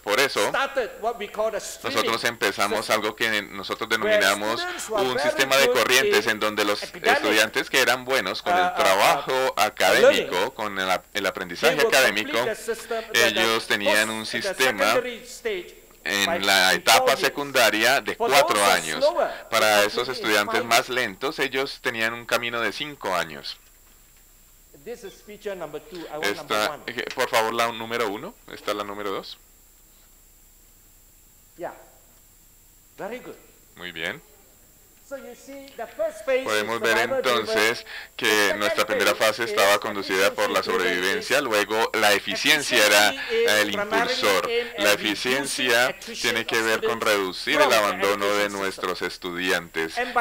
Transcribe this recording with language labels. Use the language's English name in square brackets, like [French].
[Spanish] Por eso, nosotros empezamos algo que nosotros denominamos un sistema de corrientes, en donde los estudiantes que eran buenos con el trabajo académico, con el aprendizaje académico, ellos tenían un sistema en la etapa secundaria de 4 años. Para esos estudiantes más lentos, ellos tenían un camino de 5 años. [English] This is feature number two. I want esta, number one. [Spanish] Por favor, la número uno. Esta es la número dos. [English] Yeah. Very good. [Spanish] Muy bien. [English] So you see, the first phase [Spanish] podemos ver entonces que nuestra primera fase estaba conducida por la sobrevivencia, luego la eficiencia era el impulsor. La eficiencia tiene que ver con reducir el abandono de nuestros estudiantes.